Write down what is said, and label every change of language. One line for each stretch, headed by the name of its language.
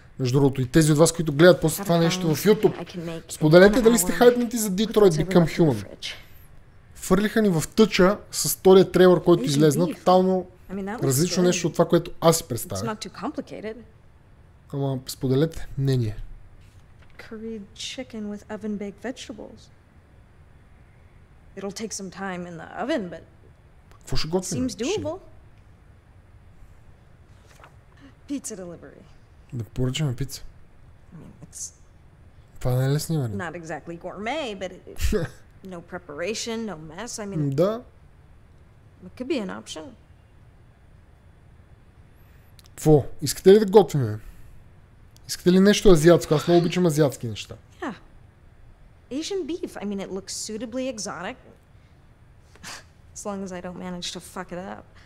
Bulgarian: Между другото, и тези от вас, които гледат после това нещо в YouTube. Споделете дали сте хайпнати за Detroit Become Human. Фърлиха ни в тъча с втория трейлър, който излезна. Тотално различно нещо от това, което аз си представя. Ама споделете мнение.
English: Curried chicken with oven baked vegetables. It'll take some time in the oven, but
Bulgarian: какво ще готвим?
English: Seems doable. Pizza delivery.
Bulgarian: Да поръчаме пица.
English: I mean, it's
Bulgarian: това не е лесни вариант.
English: Not exactly gourmet, but no preparation, no mess. I mean,
Bulgarian: да.
English: It could be an option.
Bulgarian: Какво? Искате ли да готвим? Искате ли нещо азиатско? Аз много обичам азиатски неща.
English: Yeah. Asian beef. I mean, it looks suitably exotic. As long as I don't manage to fuck it up.